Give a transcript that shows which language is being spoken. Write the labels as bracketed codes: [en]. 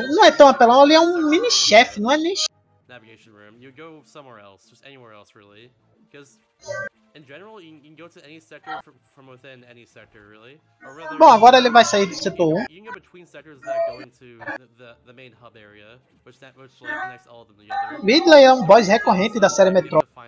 [pt] Não é tão apelão, ali é um mini chefe, não é nem chefe. [en] Navigation room. You go somewhere else, just anywhere else, really. Because in general, you can go to any sector from within any sector, really. Or rather, [pt] bom, agora ele vai sair do setor. [en] You can go between sectors that go into the main hub area, which like, connects all of them together. [pt] Ridley é um boss recorrente da série Metroid.